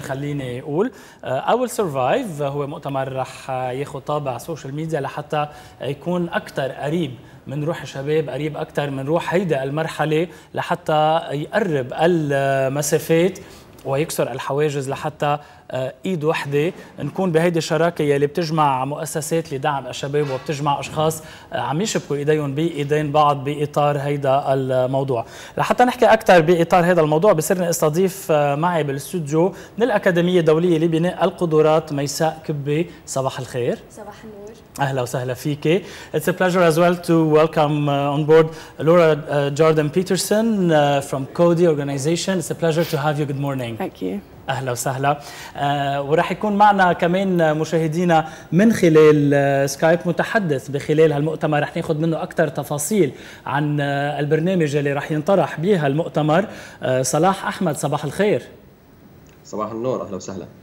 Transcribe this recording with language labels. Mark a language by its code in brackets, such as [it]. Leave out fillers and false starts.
[ar] خليني اقول اول سيرفايف هو مؤتمر رح ياخذ طابع سوشيال ميديا لحتى يكون اكثر قريب من روح الشباب، قريب اكثر من روح هيدا المرحله، لحتى يقرب المسافات ويكسر الحواجز، لحتى ايد وحده نكون بهيدي الشراكه يلي بتجمع مؤسسات لدعم الشباب وبتجمع اشخاص عم يشبكوا ايديهم بايدين بعض باطار هيدا الموضوع. لحتى نحكي اكثر باطار هيدا الموضوع بصيرني استضيف معي بالاستوديو من الاكاديميه الدوليه لبناء القدرات ميساء كبي. صباح الخير. صباح النور. اهلا وسهلا فيك. [en] It's a pleasure as well to welcome on board Laura Jordan Peterson from CODI organization. It's a pleasure to have you. Good morning. Thank you. [ar] اهلا وسهلا. وراح يكون معنا كمان مشاهدينا من خلال سكايب متحدث بخلال هالمؤتمر، راح ناخذ منه اكثر تفاصيل عن البرنامج اللي راح ينطرح بها المؤتمر. صلاح احمد صباح الخير. صباح النور، اهلا وسهلا.